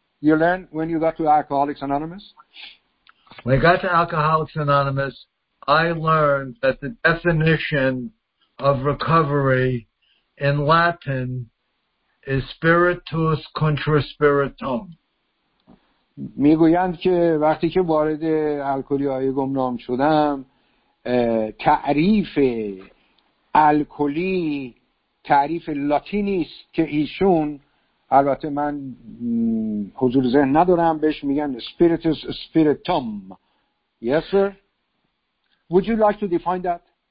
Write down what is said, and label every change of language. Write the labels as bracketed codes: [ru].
[en] You learned when you got to Alcoholics Anonymous? When I got to Alcoholics Anonymous, I learned that the definition of recovery in Latin is [la] spiritus contra spiritum. [fa] میگویند که وقتی که وارد الکلی‌های گمنام شدم تعریف الکلی تعریف لاتینی است که ایشون البته من حضور ذهن ندارم بهش میگن [la] spiritus spiritum. [en] Yes sir, would you like to define that?